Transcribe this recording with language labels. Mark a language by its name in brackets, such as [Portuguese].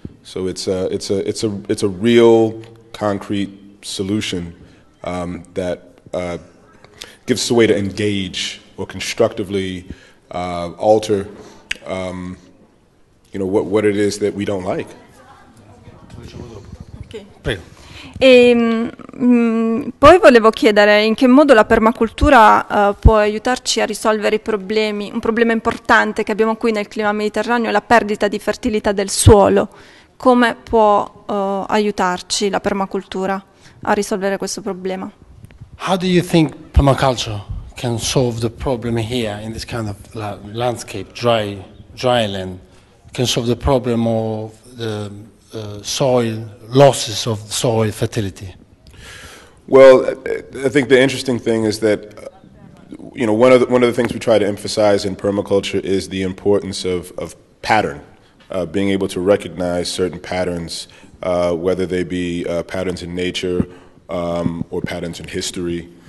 [English] So it's a real concrete solution that gives us a way to engage or constructively alter, you know, what it is that we don't like. [Italian] Okay. Prego. E poi volevo chiedere in che modo la permacultura può aiutarci a risolvere i problemi, un problema importante che abbiamo qui nel clima mediterraneo, la perdita di fertilità del suolo. Come può aiutarci la permacultura a risolvere questo problema? [English] How do you think permaculture can solve the problem here in this kind of landscape, dry land, can solve the problem of the soil, losses of soil fertility? Well, I think the interesting thing is that, you know, one of the things we try to emphasize in permaculture is the importance of pattern, being able to recognize certain patterns, whether they be patterns in nature or patterns in history.